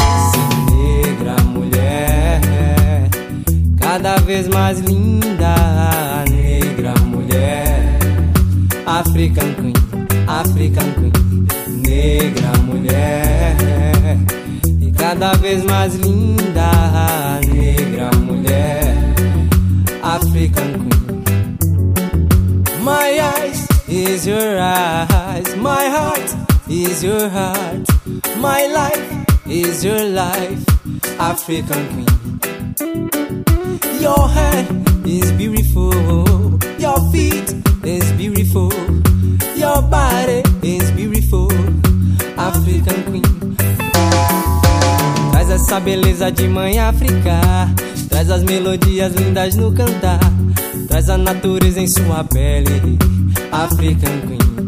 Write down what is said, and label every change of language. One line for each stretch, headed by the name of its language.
Portuguese: Se negra mulher, cada vez mais linda, negra mulher.
English: African Queen, African Queen,
Portuguese: negra mulher. E cada vez mais linda, negra mulher.
English: African Queen. My eyes is your eyes, my heart is your heart, my life is your life, African Queen. Your hair is beautiful, your feet is beautiful, your body is beautiful, African Queen.
Portuguese: Traz essa beleza de mãe África, traz as melodias lindas no cantar, traz a natureza em sua pele, African Queen.